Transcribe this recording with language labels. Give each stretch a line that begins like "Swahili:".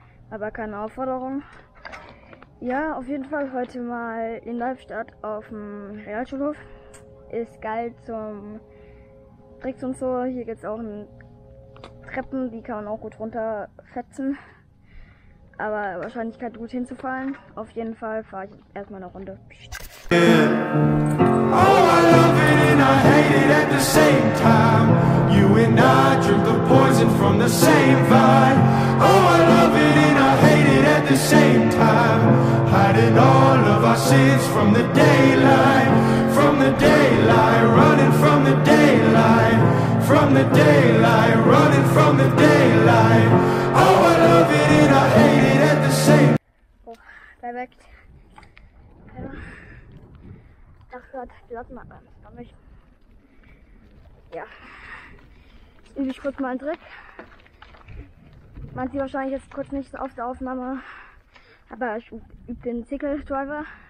German: Aber keine Aufforderung. Ja, auf jeden Fall heute mal in Leipstadt auf dem Realschulhof. Ist geil zum Tricks und so. Hier gibt es auch ein Treppen, die kann man auch gut runterfetzen. Aber Wahrscheinlichkeit gut hinzufallen. Auf jeden Fall fahre ich erstmal eine Runde.
English: Oh, I love it and I hate it at the same time. You and I drink the poison from the same vine. Oh, I love it and I hate it at the same time. Hiding all of our sins from the daylight. From the daylight, running from the daylight. From the daylight, running from the daylight. Oh, I love it and I hate it at the same time. Oh, perfect.
German: Ach Gott, die lassen mal rein, das kann ich. Ja. Jetzt übe ich kurz mal einen Trick. Man sieht wahrscheinlich jetzt kurz nicht auf der Aufnahme. Aber ich übe den Sickle Driver.